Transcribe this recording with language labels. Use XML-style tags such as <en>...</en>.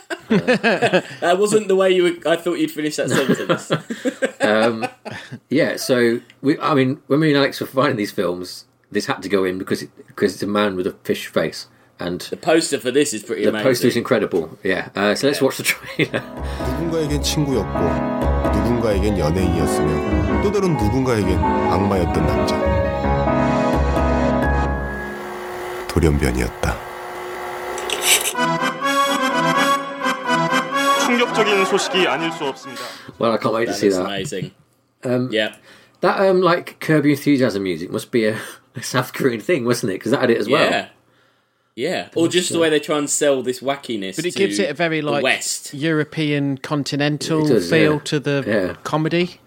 <en>That wasn't the way you were, I thought you'd finish that sentence. when me and Alex were finding these films, this had to go in because it's a man with a fish face. And the poster for this is pretty the amazing. The poster is incredible. Yeah. So let's watch the trailer.</en> <ko>누군가에겐 친구였고 누군가에겐 연예인이었으며 또 다른 누군가에겐 악마였던 남자. 돌연변이었다. 충격적인 소식이 아닐 수 없습니다.</ko> <en>Well, I can't wait to see that. Amazing. That like Kirby Enthusiasm music must be a South Korean thing, wasn't it? Because that had it as well. Yeah. Or just the way they try and sell this wackiness. But it gives it a very like West European continental feel to the comedy.</en>